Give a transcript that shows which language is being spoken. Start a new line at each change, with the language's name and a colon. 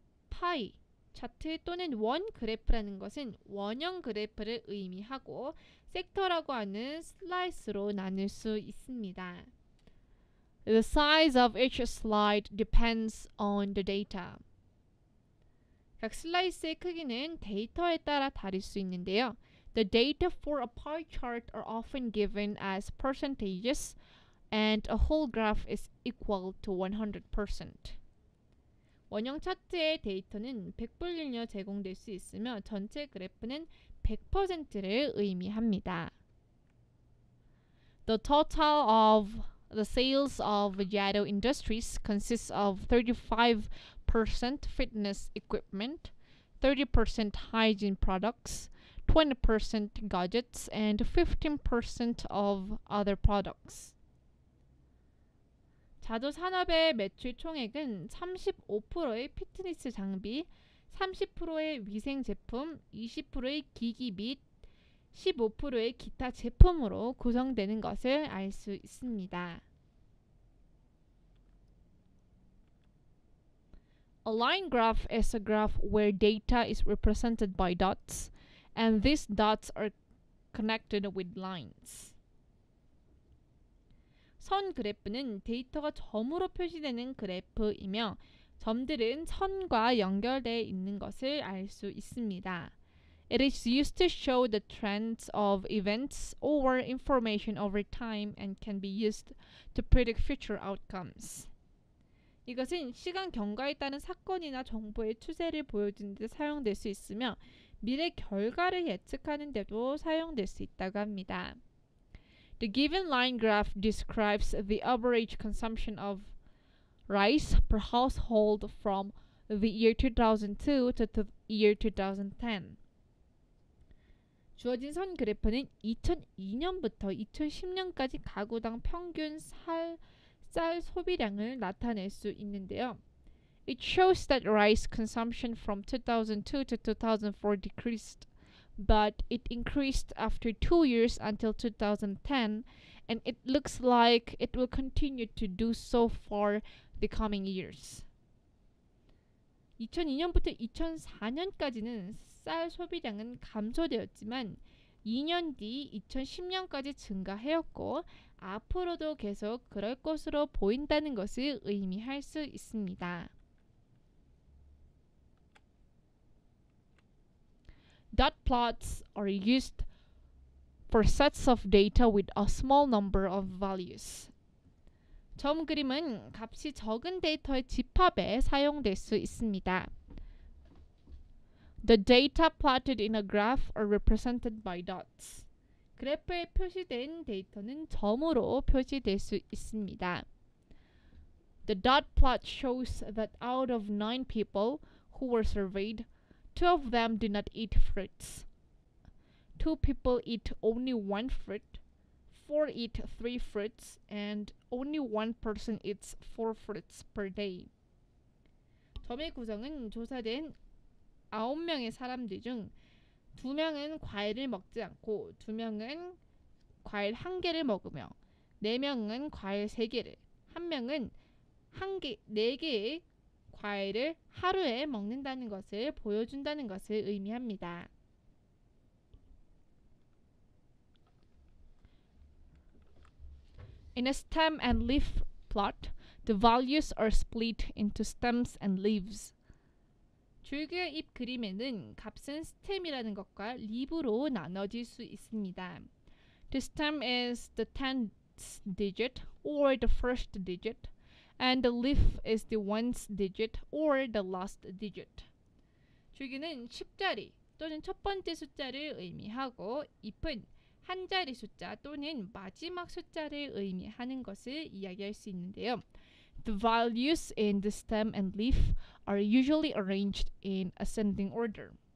Korean: 파이 차트 또는 원 그래프라는 것은 원형 그래프를 의미하고 섹터라고 하는 슬라이스로 나눌 수 있습니다.
English: The size of each slide depends on the data.
Korean: 각 슬라이스의 크기는 데이터에 따라 다를 수 있는데요.
English: The data for a pie chart are often given as percentages and a whole graph is equal to 100%.
Korean: 원형 차트의 데이터는 100분율로 제공될 수 있으며 전체 그래프는 100%를 의미합니다.
English: The total of the sales of Jado Industries consists of 35% fitness equipment, 30% hygiene products, 20% gadgets, and 15% of other products.
Korean: 자도 산업의 매출 총액은 35%의 피트니스 장비, 30%의 위생 제품, 20%의 기기 및 15%의 기타 제품으로 구성되는 것을 알 수 있습니다.
English: A line graph is a graph where data is represented by dots, and these dots are connected with lines.
Korean: 선 그래프는 데이터가 점으로 표시되는 그래프이며 점들은 선과 연결되어 있는 것을 알 수 있습니다.
English: It is used to show the trends of events or information over time and can be used to predict future outcomes.
Korean: 이것은 시간 경과에 따른 사건이나 정보의 추세를 보여주는 데 사용될 수 있으며 미래 결과를 예측하는 데도 사용될 수 있다고 합니다.
English: The given line graph describes the average consumption of rice per household from the year 2002 to the year 2010.
Korean: 주어진 선 그래프는 2002년부터 2010년까지 가구당 평균 쌀 소비량을 나타낼 수 있는데요.
English: It shows that rice consumption from 2002 to 2004 decreased, but it increased after 2 years until 2010, and it looks like it will continue to do so for the coming years.
Korean: 2002년부터 2004년까지는 쌀 소비량은 감소되었지만 2년 뒤 2010년까지 증가하였고 앞으로도 계속 그럴 것으로 보인다는 것을 의미할 수 있습니다.
English: Dot plots are used for sets of data with a small number of values.
Korean: 점 그림은 값이 적은 데이터의 집합에 사용될 수 있습니다.
English: The data plotted in a graph are represented by dots.
Korean: 그래프에 표시된 데이터는 점으로 표시될 수 있습니다.
English: The dot plot shows that out of 9 people who were surveyed, 2 of them did not eat fruits. 2 people eat only 1 fruit, 4 eat 3 fruits, and only 1 person eats 4 fruits per day.
Korean: 점의 구성은 조사된 9명의 사람들 중 2명은 과일을 먹지 않고 2명은 과일 1개를 먹으며 4명은 과일 3개를 1명은 4개의 과일을 하루에 먹는다는 것을 보여준다는 것을 의미합니다.
English: In a stem and leaf plot, the values are split into stems and leaves.
Korean: 줄기의 잎 그림에는 값은 스템이라는 것과 립으로 나눠질 수 있습니다.
English: The stem is the 10th digit or the first digit, and the leaf is the 1th digit or the last digit.
Korean: 줄기는 10자리 또는 첫 번째 숫자를 의미하고 잎은 한 자리 숫자 또는 마지막 숫자를 의미하는 것을 이야기할 수 있는데요.
English: The values in the stem and leaf are usually arranged in ascending order.